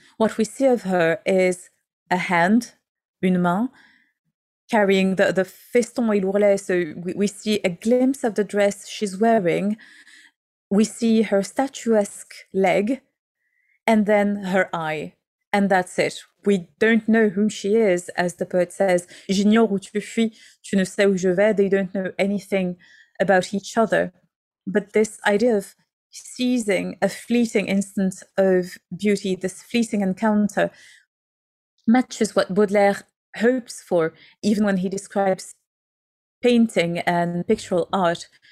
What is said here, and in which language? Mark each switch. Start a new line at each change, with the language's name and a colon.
English: What we see of her is a hand,
French: une main,
English: carrying the feston et l'ourlet. So we see a glimpse of the dress she's wearing. We see her statuesque leg and then her eye. And that's it. We don't know who she is, as the poet says.
French: J'ignore où tu fuis, tu ne sais où je vais.
English: They don't know anything about each other. But this idea of seizing a fleeting instant of beauty, this fleeting encounter, matches what Baudelaire hopes for, even when he describes painting and pictorial art.